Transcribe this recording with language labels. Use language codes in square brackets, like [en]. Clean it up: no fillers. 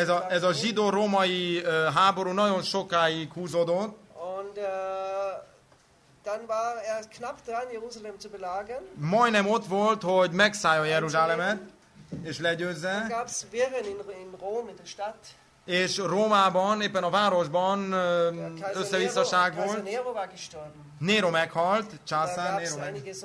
[hu] Ez a zsidó-római háború nagyon sokáig húzódott. [de] Und dann war er knapp dran, Jerusalem zu belagern. [hu] Majdnem ott volt, hogy megszállja Jeruzsálemet és legyőzze. [de] Dann gab's Wirren in Rom, in der Stadt. [hu] És Rómában, éppen a városban összevisszaság volt. Nero meghalt, császár Nero.